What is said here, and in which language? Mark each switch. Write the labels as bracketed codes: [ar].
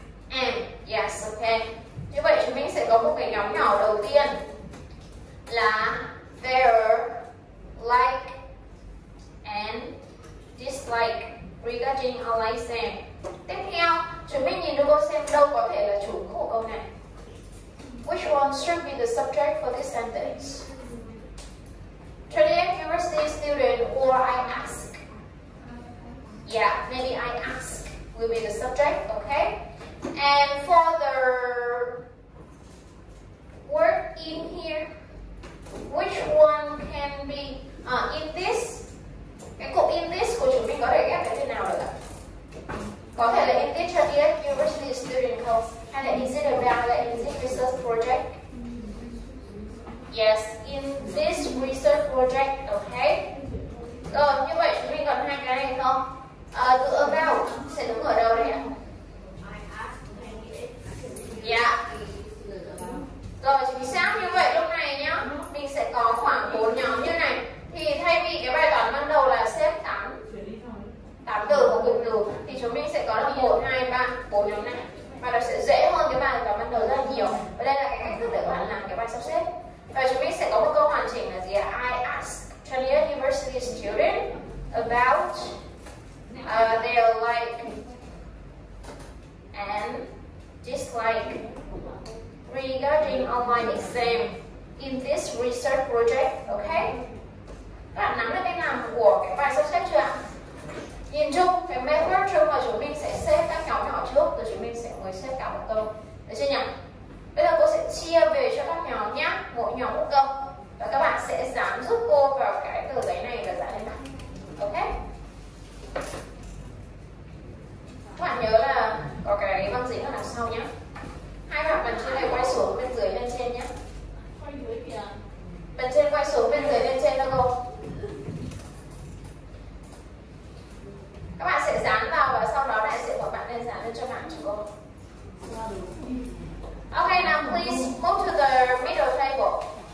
[en] And, yes, okay. [vi] Như vậy chúng mình sẽ có một cái nhóm nhỏ đầu tiên là [en] there, like, and dislike regarding a license. [vi] Tiếp theo, chúng mình nhìn Google xem đâu có thể là chủ của câu này. [en] Which one should be the subject for this sentence? Today, university student, or I ask? Yeah, maybe I ask will be the subject, okay? And for the word in here, which one can be in this? [vi] Cái cụm in this của chúng mình có thể ghép cái thế nào được? Có thể là [en] in this subject, university student health, [vi] hay là [en] is it about the in this research project? Yes, in this research project, okay. [vi] Rồi, như vậy chúng mình còn hai cái này không? Từ about sẽ đứng ở đâu đây ạ? Yeah. Rồi chính xác, như vậy lúc này nhá, mình sẽ có khoảng 4 nhóm như này. Thì thay vì cái bài toán ban đầu là xếp 8 từ và cụm từ thì chúng mình sẽ có là 1, 2, 3, 4 nhóm này. Và nó sẽ dễ hơn cái bài toán ban đầu rất là nhiều. Và đây là cái cách thức để bạn làm cái bài sắp xếp. Và chúng mình sẽ có một câu hoàn chỉnh là gì ạ? [en] I asked 20th university student about their like and dislike regarding online exam in this research project, okay? [vi] Các bạn nắm được cái nào của cái bài sắp xếp chưa ạ? Nhìn chung, cái method chung là chúng mình sẽ xếp các nhóm nhỏ trước, rồi chúng mình sẽ mới xếp cả một câu. Được chưa nhỉ? Bây giờ cô sẽ chia về cho các nhóm nhé, mỗi nhóm một câu. Và các bạn sẽ dán giúp cô vào cái tờ giấy này và dán lên bảng. Okay? Các bạn nhớ là có cái băng dính ở đằng sau nhé. Hai bạn bàn chân này quay xuống bên dưới lên trên nhé. Bàn chân quay xuống bên dưới lên trên đâu cô? Các bạn sẽ dán vào và sau đó đại diện của bạn nên dán lên cho bạn chứ cô. [en] Ok, now please move to the middle table.